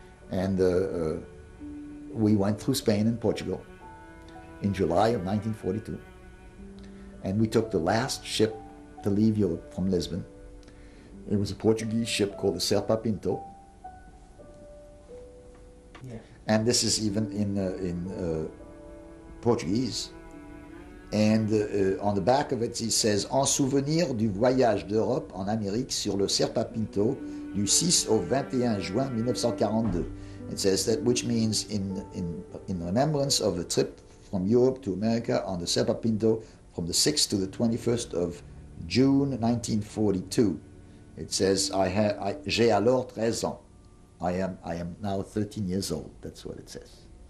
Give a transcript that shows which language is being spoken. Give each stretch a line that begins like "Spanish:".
English: And we went through Spain and Portugal in July of 1942. And we took the last ship to leave Europe from Lisbon. It was a Portuguese ship called the Serpa Pinto. Yeah. And this is even in Portuguese. And on the back of it, it says,
French: en souvenir du voyage d'Europe en Amérique sur le Serpa Pinto du 6 au 21 juin 1942.
English: It says that, which means in remembrance of the trip from Europe to America on the Serpa Pinto from the 6th to the 21st of June 1942. It says,
French: j'ai alors 13 ans.
English: I am now 13 years old. That's what it says.